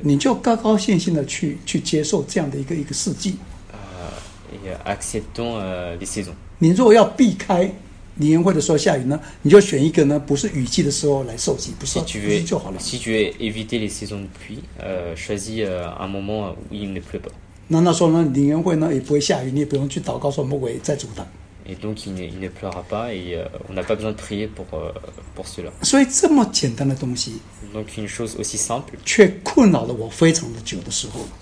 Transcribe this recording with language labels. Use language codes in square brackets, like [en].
[zh] 你就高高兴兴的去接受这样的一个世纪。 [fr] Et acceptons les saisons. [zh] 你如果要避开灵恩会的时候下雨呢，你就选一个呢不是雨季的时候来受洗，不是雨季就好了。 [fr] Si tu veux éviter les saisons de pluie, choisis un moment où il ne pleut pas. [zh] 那那时候呢，灵恩会呢也不会下雨，你也不用去祷告说魔鬼在阻挡。 [fr] Et donc il ne pleura pas et on n'a pas besoin de prier pour cela. [zh] 所以这么简单的东西 [fr] ，Donc une chose aussi simple， [zh] 却困扰了我非常的久的时候。